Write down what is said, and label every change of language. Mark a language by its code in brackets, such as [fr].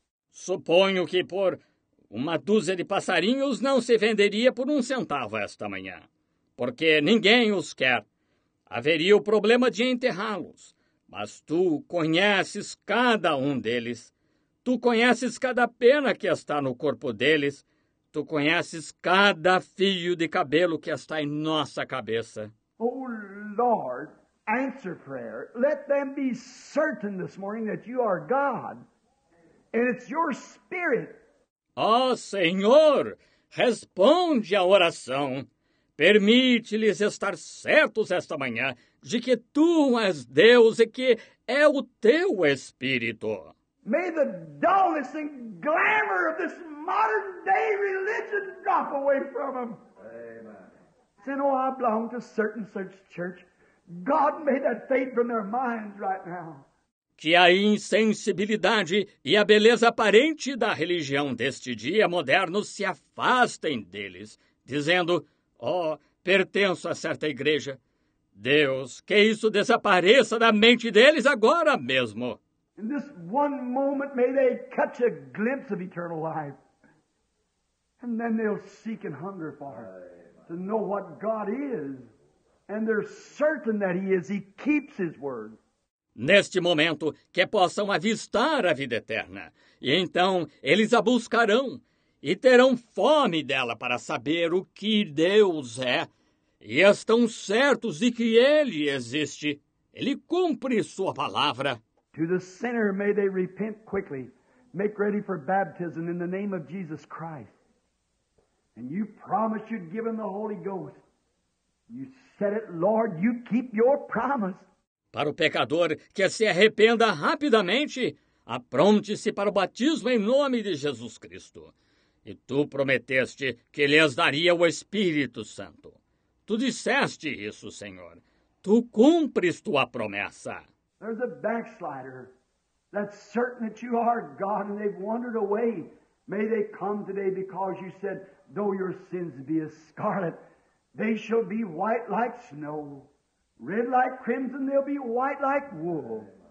[pt] Suponho que por uma dúzia de passarinhos não se venderia por um centavo esta manhã, porque ninguém os quer. Haveria o problema de enterrá-los, mas tu conheces cada um deles. Tu conheces cada pena que está no corpo deles. Tu conheces cada fio de cabelo que está em nossa cabeça. [en] Oh, Lord, answer prayer. Let them be certain this morning that you are God, and it's your Spirit. [pt] Oh, Senhor, responde a oração. Permite-lhes estar certos esta manhã de que tu és Deus e que é o teu Espírito. [en] May the dullness and glamour of this modern-day religion drop away from them. Amen. Say, oh, I belong to certain such church. God, may that fade from their minds right now. [pt] Que a insensibilidade e a beleza aparente da religião deste dia moderno se afastem deles, dizendo, oh, pertenço a certa igreja. Deus, que isso desapareça da mente deles agora mesmo. [en] In this one moment, may they catch a glimpse of eternal life. And then they'll seek and hunger for her to know what God is. And they're certain that he is. He keeps his word. [pt] Neste momento, que possam avistar a vida eterna. E então, eles a buscarão e terão fome dela para saber o que Deus é. E estão certos de que ele existe. Ele cumpre sua palavra. [en] To the sinner, may they repent quickly. Make ready for baptism in the name of Jesus Christ. And you promised you'd give him the Holy Ghost. You said it, Lord, you keep your promise. [pt] Para o pecador que se arrependa rapidamente, apronte-se para o batismo em nome de Jesus Cristo. E tu prometeste que lhes daria o Espírito Santo. Tu disseste isso, Senhor. Tu cumpres tua promessa. [en] There's a backslider that's certain that you are God and they've wandered away. May they come today because you said, though your sins be as scarlet, they shall be white like snow. Red like crimson, they'll be white like wool.